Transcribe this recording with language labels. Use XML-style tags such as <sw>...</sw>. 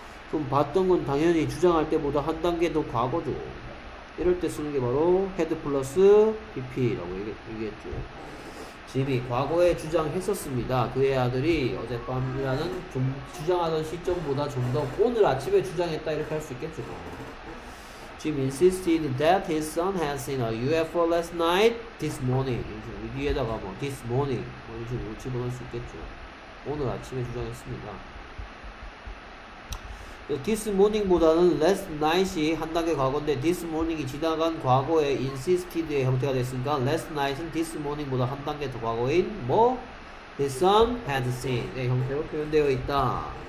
<ko>그럼 봤던 건 당연히 주장할 때보다 한 단계 더 과거죠. 이럴 때 쓰는 게 바로 head plus PP라고 얘기했죠. 짐이 과거에 주장했었습니다. 그의 아들이 어젯밤이라는 좀 주장하던 시점보다 좀더 오늘 아침에 주장했다 이렇게 할수 있겠죠.</ko> <en>Jim insisted that his son has seen a UFO last night, this morning.</en> <ko>위에다가 뭐, this morning. 뭐 이런 식으로 집어넣을 수 있겠죠. 오늘 아침에 주장했습니다. This morning보다는 last night 이 한 단계 과거인데, this morning이 지나간 과거의 insisted의 형태가 됐으니까, last night은 this morning보다 한 단계 더 과거인, 뭐, his son had seen 의 형태로 표현되어 있다.</ko>